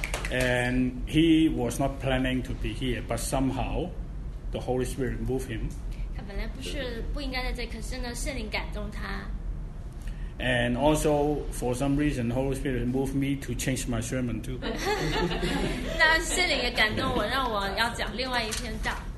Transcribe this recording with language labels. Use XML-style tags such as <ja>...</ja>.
<en>And he was not planning to be here, but somehow the Holy Spirit moved him.</en> <zh>他本来不应该在这，可是呢，圣灵感动他。</zh> <en>And also, for some reason, the Holy Spirit moved me to change my sermon too.</en> <zh>那圣灵也感动我，让我要讲另外一篇道。</zh>